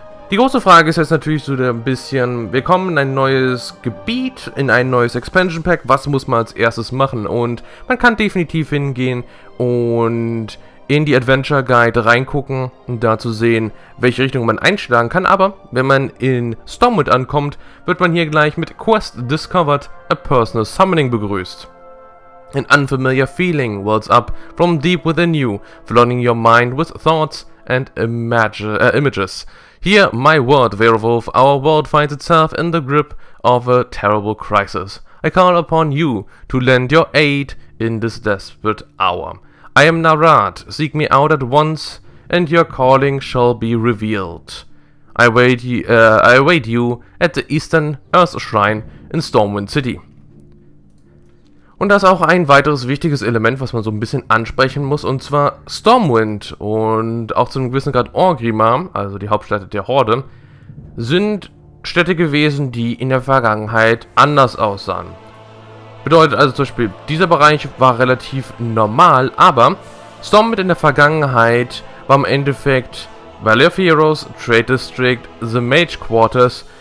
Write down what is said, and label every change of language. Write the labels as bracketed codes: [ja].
[de] Die große Frage ist jetzt natürlich so ein bisschen, wir kommen in ein neues Gebiet, in ein neues Expansion Pack, was muss man als erstes machen? Und man kann definitiv hingehen und in die Adventure Guide reingucken, um da zu sehen, welche Richtung man einschlagen kann. Aber wenn man in Stormwind ankommt, wird man hier gleich mit Quest Discovered a Personal Summoning begrüßt. [en] An unfamiliar feeling wells up from deep within you, flooding your mind with thoughts and images. Here, my word, Werewolf, our world finds itself in the grip of a terrible crisis. I call upon you to lend your aid in this desperate hour. I am Narad, seek me out at once, and your calling shall be revealed. I await you at the Eastern Earth Shrine in Stormwind City. [de] Und das ist auch ein weiteres wichtiges Element, was man so ein bisschen ansprechen muss, und zwar Stormwind und auch zu einem gewissen Grad Orgrimmar, also die Hauptstadt der Horde, sind Städte gewesen, die in der Vergangenheit anders aussahen. Bedeutet also zum Beispiel, dieser Bereich war relativ normal, aber Stormwind in der Vergangenheit war im Endeffekt Valley of Heroes, Trade District, The Mage Quarters.